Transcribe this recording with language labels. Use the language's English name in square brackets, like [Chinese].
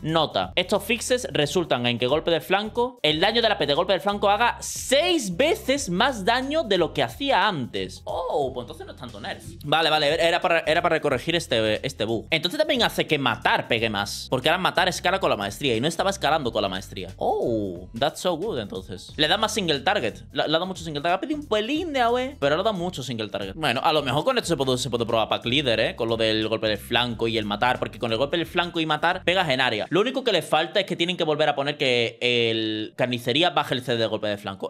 [Spanish] Nota, estos fixes resultan en que golpe de flanco, el daño de la pet de golpe de flanco haga 6 veces más daño de lo que hacía antes. Oh, pues entonces no es tanto nerf. Vale, era para corregir este bug. Entonces también hace que matar pegue más, porque ahora matar escala con la maestría y no estaba escalando con la maestría. [English] Oh, that's so good [Spanish] entonces. Le da más single target, le da mucho single target. Ha pedido un pelín de AOE, pero le da mucho single target. Bueno, a lo mejor con esto se puede probar pack leader, con lo del el golpe del flanco y el matar, porque con el golpe del flanco y matar pegas en área. Lo único que le falta es que tienen que volver a poner que el carnicería baje el CD del golpe de flanco.